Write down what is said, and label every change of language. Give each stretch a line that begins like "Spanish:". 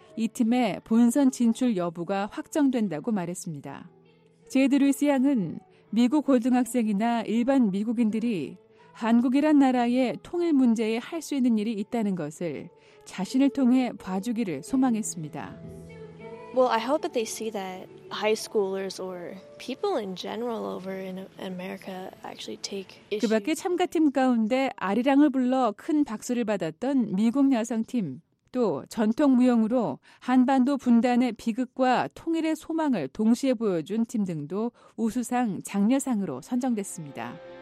Korean: 이 팀의 본선 진출 여부가 확정된다고 말했습니다. 제드 루이스 양은 미국 고등학생이나 일반 미국인들이 한국이란 나라의 통일 문제에 할 수 있는 일이 있다는 것을 자신을 통해 봐주기를 소망했습니다.
English: Well, I hope that they see that high schoolers or people in general over in America actually take issues.
Korean: 그 밖에 참가팀 가운데 아리랑을 불러 큰 박수를 받았던 미국 여성팀, 또 전통 무용으로 한반도 분단의 비극과 통일의 소망을 동시에 보여준 팀 등도 우수상, 장려상으로 선정됐습니다.